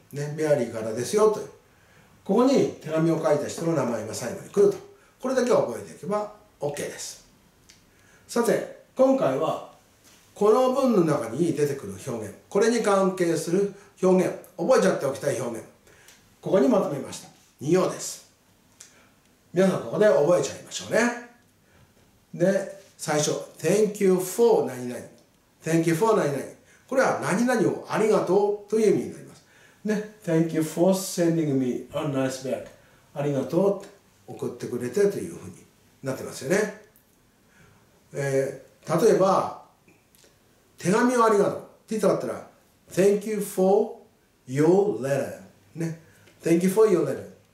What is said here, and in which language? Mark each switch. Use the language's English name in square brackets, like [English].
[Japanese] ね、メアリーからですよと、ここに手紙を書いた人の名前が最後に来ると、これだけは覚えていけば OK です。さて今回はこの文の中に出てくる表現、これに関係する表現、覚えちゃっておきたい表現、ここにまとめました。2行です。皆さんここで覚えちゃいましょうね。 [English] で、最初、Thank you for [Japanese] 何々。 [English] Thank you for 何々。 [Japanese] これは何々をありがとうという意味になります。 [English] で、Thank you for sending me a nice bag。 [Japanese] ありがとうって送ってくれてというふうになってますよね。例えば、手紙をありがとうって言ったかったら、 [English] Thank you for your letter、ね。Thank you for your letter。